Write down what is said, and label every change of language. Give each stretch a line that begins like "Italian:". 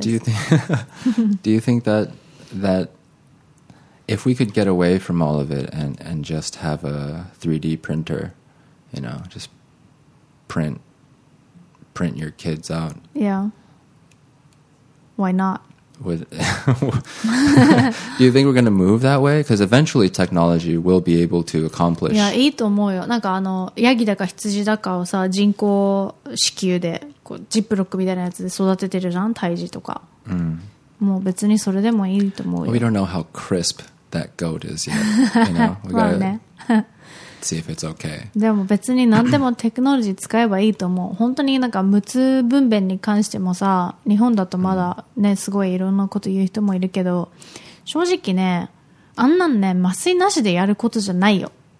English: Do you think that if we could get away from all of it and just have a 3D printer, you know, just print your kids out? Yeah. Why not? Do you think we're going to move that way? Because eventually technology will be able to accomplish.
Japanese: Yeah, いいと思うよ。なんかあのヤギだか羊だかをさ人工子宮でこうジップロックみたいなやつで育ててるじゃん、胎児とか。もう別にそれでもいいと思うよ。
English: We don't know how crisp that goat is yet. You know, we gotta see if it's okay.
Japanese: でも別に何でもテクノロジー使えばいいと思う。本当になんか無痛分娩に関してもさ、日本だとまだね、すごいいろんなこと言う人もいるけど、正直ね、あんなんね、麻酔なしでやることじゃないよ。